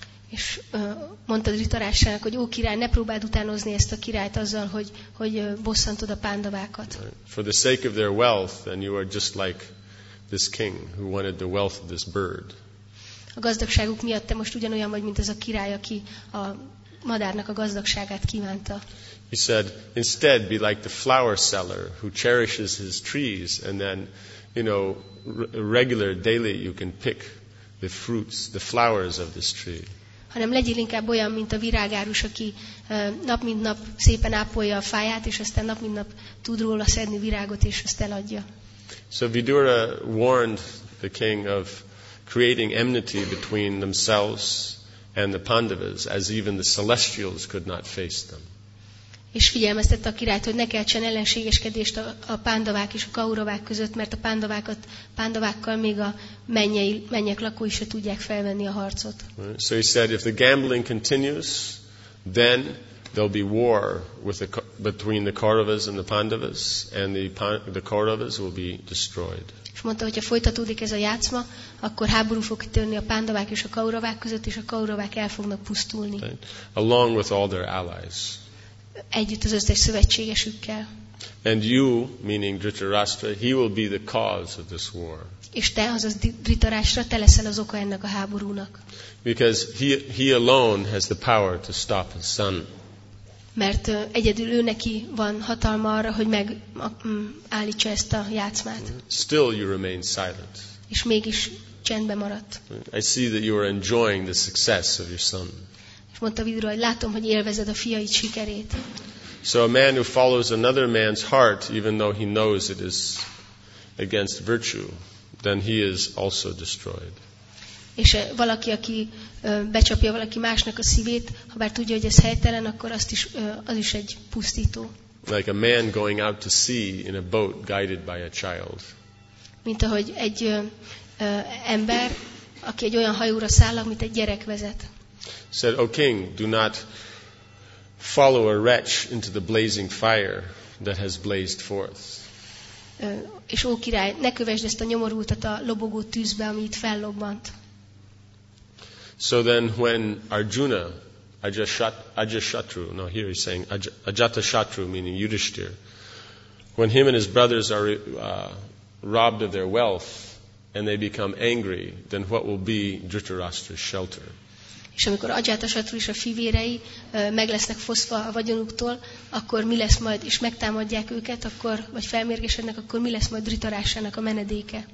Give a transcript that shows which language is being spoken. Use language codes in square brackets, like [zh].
[hu] És mondta Dhritarásának, hogy ó király, ne próbáld utánozni ezt a királyt azzal, hogy bosszantod a pándavákat. [en] For the sake of their wealth, and you are just like this king who wanted the wealth of this bird. [hu] A gazdagságuk miatt te most ugyanolyan vagy, mint ez a király, aki a madárnak a gazdagságát kívánta. [en] He said, instead be like the flower seller who cherishes his trees, and then, you know, regular daily you can pick the fruits, the flowers of this tree. [hu] Hanem legyél inkább olyan, mint a virágárus, aki nap mint nap szépen ápolja a fáját, és aztán nap mint nap tud róla szedni virágot, és azt eladja. [en] So Vidura warned the king of creating enmity between themselves and the Pandavas, as even the celestials could not face them. [hu] És figyelmeztette a királyt, hogy ne keltsen ellenségeskedést a pándavák és a kauravák között, mert a pándavákat, pándavákkal még a mennyek lakói se tudják felvenni a harcot. [en] So he said, if the gambling continues, then there'll be war with the, between the Kauravas and the Pandavas, and the Kauravas will be destroyed. [hu] És mondta, hogy ha folytatódik ez a játszma, akkor háború fog kitörni a pándavák és a kauravák között, és a kauravák el fognak pusztulni. [en] Right. Along with all their allies. [hu] Együtt az összes szövetségesükkel. [en] And you, meaning Dhritarashtra, he will be the cause of this war. [hu] És te, azaz Dhritarashtra, te leszel az oka ennek a háborúnak. [en] Because he alone has the power to stop his son. [hu] Mert egyedül ő neki van hatalma arra, hogy megállítsa ezt a játszmát. [en] Still you remain silent. [hu] És mégis csendben maradt. [en] I see that you are enjoying the success of your son. [hu] És mondta Vidura, hogy látom, hogy élvezed a fiaid sikerét. [en] So a man who follows another man's heart, even though he knows it is against virtue, then he is also destroyed. [hu] És valaki, aki becsapja valaki másnak a szívét, ha bár tudja, hogy ez helytelen, akkor azt is, az is egy pusztító. [en] Like a man going out to sea in a boat guided by a child. [hu] Mint ahogy egy ember, aki egy olyan hajóra száll, amit egy gyerek vezet. [en] Said, O king, do not follow a wretch into the blazing fire that has blazed forth. [hu] És ó király, ne kövesd ezt a nyomorultat a lobogó tűzbe, ami itt fellobbant. [en] So then when Arjuna, Ajatashatru, meaning Yudhishthir, when him and his brothers are robbed of their wealth and they become angry, then what will be Dhritarashtra's shelter? [hu] És amikor Ajatashatru és a fivérei meg lesznek fosztva a vagyonuktól, akkor mi lesz majd, és megtámadják őket, akkor, vagy felmérgesednek, akkor mi lesz majd Dhritarashtrának a menedéke?